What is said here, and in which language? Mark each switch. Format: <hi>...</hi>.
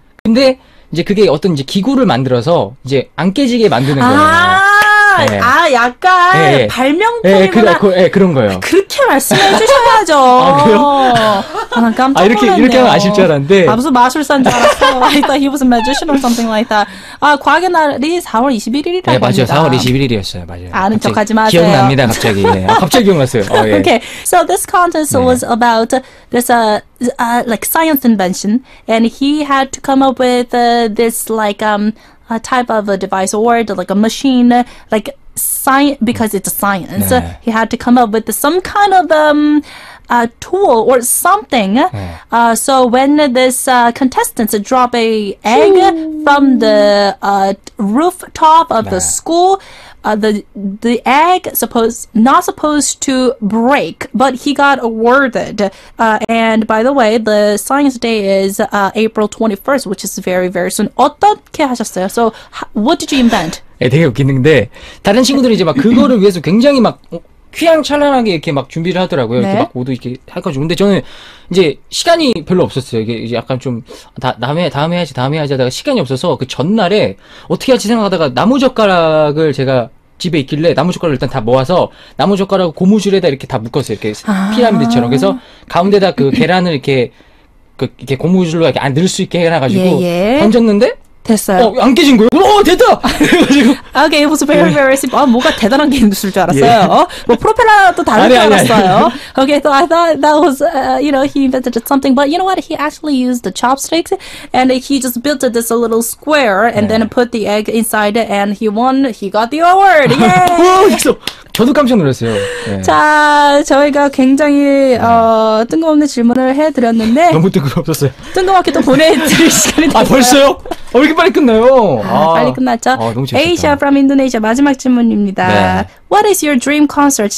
<ko>근데 이제 그게 어떤 이제 기구를 만들어서 이제 안 깨지게 만드는 거예요. 아, 네. 아 약간 네, 발명품이구나. 네, 그, 네, 그런 거예요. 그렇게 말씀해 주셔야죠. 아, 그래요? 아, 깜짝 놀랐네요. 아, 이렇게 하면 아실 줄 알았는데. 아, 무슨 마술사인 줄 알았어.</ko> <en>I thought he was a magician or something like that.</en> <ko>아, 과학의 날이 4월 21일이라고 합니다. 네, 맞아요. 4월 21일이었어요. 맞아요. 아는 척 하지 마세요. 기억납니다, 갑자기. 네. 아, 갑자기 기억났어요. 어, 예.</ko> <en>Okay. So this contest</en> <ko>네.</ko> <en>was about this, like science invention. And he had to come up with this, like, a type of a device or like a machine, like science, because it's a science.</en> <ko>네.</ko> <en>He had to come up with some kind of, a tool or something.</en> <ko>네.</ko> <en>So when this contestants drop a egg from the rooftop of</en> <ko>네.</ko> <en>the school, the egg not supposed to break, but he got awarded. And by the way, the science day is April 21st, which is very, very soon.</en> <ko>어떻게 하셨어요?</ko> <en>So what did you invent?</en> <ko>예, 되게 웃기는데 다른 친구들이 이제 막 그거를 위해서 굉장히 막 휘황찬란하게 이렇게 막 준비를 하더라고요. 네. 이렇게 막 모두 이렇게 할 거죠. 근데 저는 이제 시간이 별로 없었어요. 이게 이제 약간 좀 다음에 해야지 하다가 시간이 없어서 그 전날에 어떻게 할지 생각하다가 나무젓가락을 제가 집에 있길래 나무젓가락을 일단 다 모아서 나무젓가락을 고무줄에다 이렇게 다 묶었어요. 이렇게 아~ 피라미드처럼. 그래서 가운데다 그 계란을 이렇게 이렇게 고무줄로 이렇게 안 넣을 수 있게 해놔가지고 예, 예. 던졌는데 됐어요. 어, 안 깨진 거예요? 어, 됐다! 그래가지고.</ko> <en>Okay, it was very, very simple.</en> <ko>아, 뭐가 대단한 게 있는 줄 알았어요. 예. 뭐, 프로펠러도 다른 줄 알았어요. 아니.</ko> <en>Okay, so I thought that was, you know, he invented something. But you know what? He actually used the chopsticks and he just built this little square and</en> <ko>네.</ko> <en>then put the egg inside and he won. He got the award. Yay!</en> <ko>와, 있어! 저도 깜짝 놀랐어요. 네. 자, 저희가 굉장히, 뜬금없는 질문을 해드렸는데. 너무 뜬금없었어요. 뜬금없게 또 보내드릴 시간이 됐어요. 아, 벌써요? 왜 이렇게 빨리 끝나요? 빨리 끝났죠? 아, 너무 재밌다.</ko> <en>Asia from Indonesia</en> <ko>마지막 질문입니다. 네.</ko> <en>What is your dream concert?</en>